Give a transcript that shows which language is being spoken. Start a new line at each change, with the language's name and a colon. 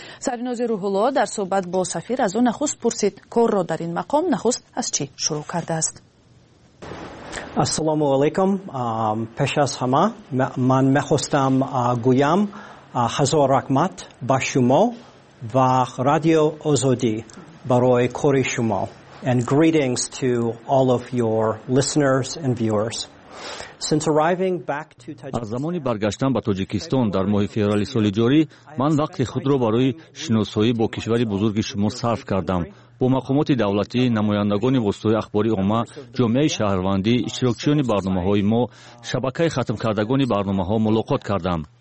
Tajik: Саринози Руҳулло дар суҳбат бо сафир аз ӯ нахуст пурсид корро дар ин мақом нахуст аз чӣ шурӯъ кардааст. Ассалому алайкум. Пеш аз ҳама ман мехостам гӯям ҳазор раҳмат ба шумо ва радио Озодӣ барои кори шумо.
English: And greetings to all of your listeners and viewers. Since arriving back to Tajikistan,
Tajik: аз замони баргаштам ба Тоҷикистон дар моҳи феврали соли ҷорӣ, ман вақти худро барои шиносоӣ бо кишвари бузурги шумо сарф кардам. Бо мақомоти давлатӣ, намояндагони воситаҳои ахбории омма, ҷомеаи шаҳрвандӣ, иштирокчиёни барномаҳои мо, шабакаи хатмкардагони барномаҳо мулоқот кардам.